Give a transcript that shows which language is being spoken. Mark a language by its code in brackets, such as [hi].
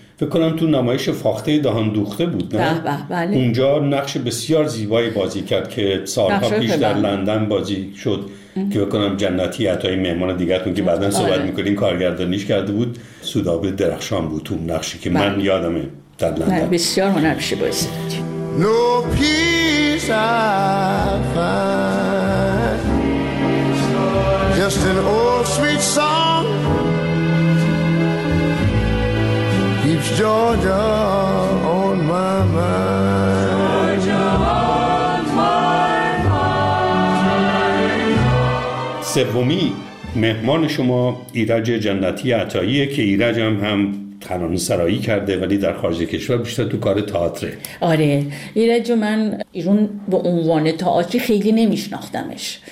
[fa] فکر کنم تو نمایش فاخته دهان دوخته بود نه؟ به به بله. اونجا نقش بسیار زیبایی بازی کرد که سالها پیش در لندن بازی شد که فکر کنم جنتی عطای مهمان دیگرتون که بعدا صحبت میکنین کارگردانیش کرده بود، سودابه درخشان بود تو نقشی که من یادمه در لندن. بسیار هنرمندی بازی داد. [en] No peace I find, just an old sweet song keeps Georgia on my mind. Georgia on my mind. [fa] سومی مهمان شما ایرج جنتی عطاییه که ایرج هم ترانه سرایی کرده ولی در خارج کشور بیشتر تو کار تئاتره. آره ایرج، من ایرون به عنوان تئاتری خیلی نمیشناختمش.